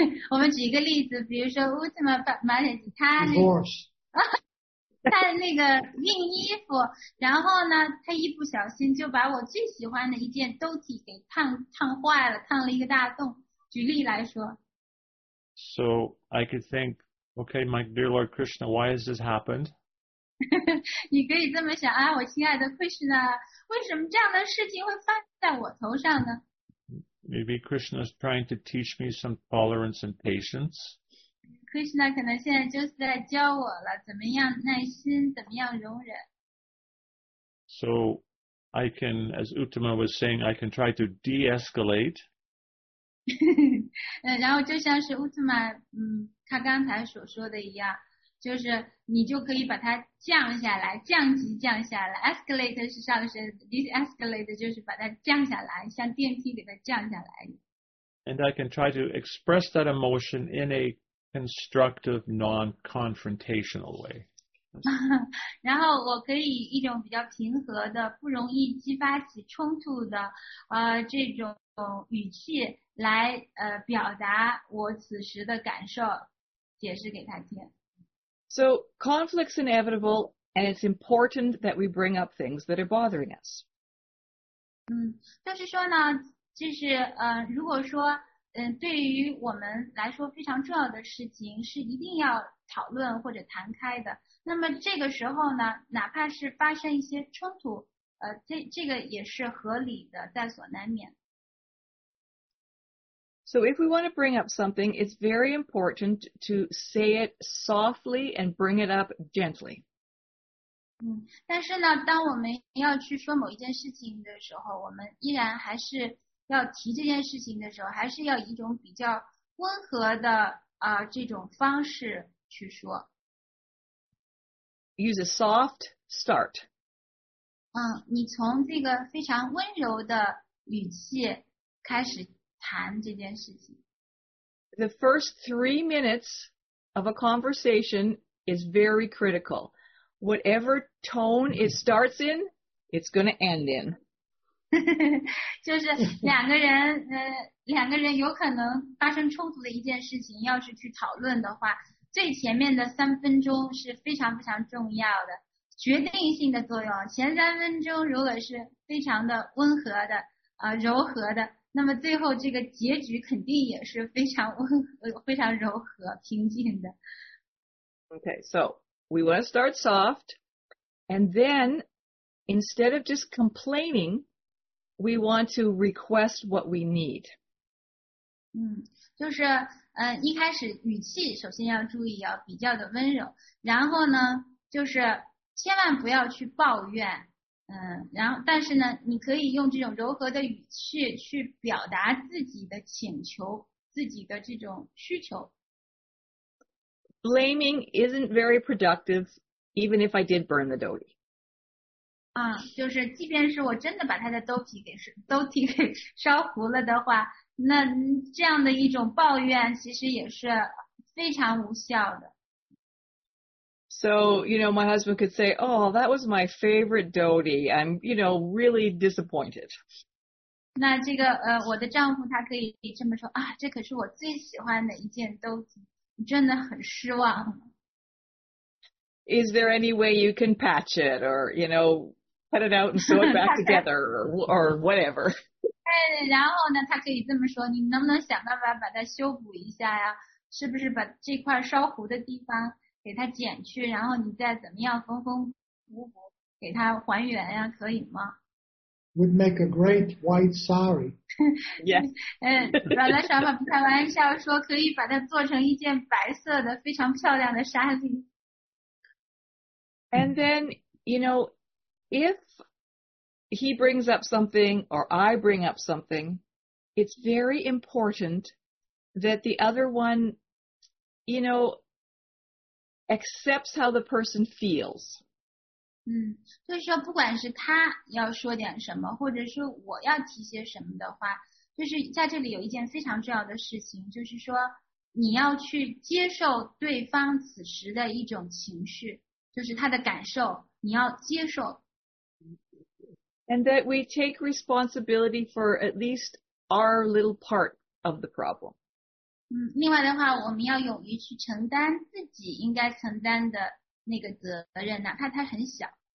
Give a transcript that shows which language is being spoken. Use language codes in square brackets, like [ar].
[zh] 我们举一个例子，比如说 Uttama 买了几套。 [en] Divorce. [zh] 他那个印衣服，然后呢，他一不小心就把我最喜欢的一件dhoti给烫坏了，烫了一个大洞。举例来说。 [en] So I could think, okay, my dear Lord Krishna, why has this happened? [zh] 你可以这么想啊，我亲爱的 Krishna, 为什么这样的事情会发生在我头上呢？ [en] Maybe Krishna is trying to teach me some tolerance and patience. [zh] Krishna 可能现在就是在教我了，怎么样耐心，怎么样容忍。 [en] So I can, as Uttama was saying, I can try to de-escalate. [zh] 然后就像是乌特曼，他刚才所说的一样，就是你就可以把它降下来，降级降下来 ，escalate 是上升 ，de-escalate 就是把它降下来，像电梯给它降下来。 [en] And I can try to express that emotion in a constructive, non-confrontational way. [zh] 然后我可以一种比较平和的，不容易激发起冲突的，这种语气。来表达我此时的感受，解释给他听。 [en] So conflict's inevitable, and it's important that we bring up things that are bothering us. [zh] 就是说呢，就是如果说对于我们来说非常重要的事情是一定要讨论或者谈开的，那么这个时候呢，哪怕是发生一些冲突，这个也是合理的，在所难免。 [en] So if we want to bring up something, it's very important to say it softly and bring it up gently. [zh] 但是呢，当我们要去说某一件事情的时候，我们依然还是要提这件事情的时候，还是要以一种比较温和的这种方式去说。 [en] Use a soft start. [zh] 你从这个非常温柔的语气开始。谈这件事情。 [en] The first 3 minutes of a conversation is very critical. Whatever tone it starts in, it's going to end in. [zh] 就是两个人有可能发生冲突的一件事情，要是去讨论的话，最前面的三分钟是非常非常重要的，决定性的作用。前三分钟如果是非常的温和的，柔和的。那么最后这个结局肯定也是非常非常柔和平静的。 [en] Okay, so we want to start soft, and then instead of just complaining, we want to request what we need. [zh] 就是一开始语气首先要注意要比较的温柔，然后呢就是千万不要去抱怨。然后但是呢你可以用这种柔和的语气去表达自己的请求，自己的这种需求。 [en] Blaming isn't very productive, even if I did burn the dhoti. [zh] 就是即便是我真的把他的dhoti给烧糊了的话，那这样的一种抱怨其实也是非常无效的。 [en] So, you know, my husband could say, oh, that was my favorite dhoti. I'm, you know, really disappointed. [zh] 那这个我的丈夫他可以这么说啊，这可是我最喜欢的一件 dhoti, 真的很失望。 [en] Is there any way you can patch it or, you know, cut it out and sew it back together or whatever. [zh] 然后呢他可以这么说，你能不能想办法把它修补一下呀，是不是把这块烧糊的地方给它剪去，然后你再怎么样缝缝补补给它还原呀，可以吗？ [en] Would make a great white sari. Yes. [zh] 然后他想法不开玩笑说可以把它做成一件白色的非常漂亮的纱丽。 [en] And then, you know, if he brings up something or I bring up something, it's very important that the other one, you know, accepts how the person feels. [zh] 嗯，就是说不管是他要说点什么，或者是我要提些什么的话，就是在这里有一件非常重要的事情，就是说你要去接受对方此时的一种情绪，就是他的感受，你要接受。 [en] And that we take responsibility for at least our little part of the problem. [zh] 嗯，另外的话，我们要勇于去承担自己应该承担的那个责任，哪怕它很小。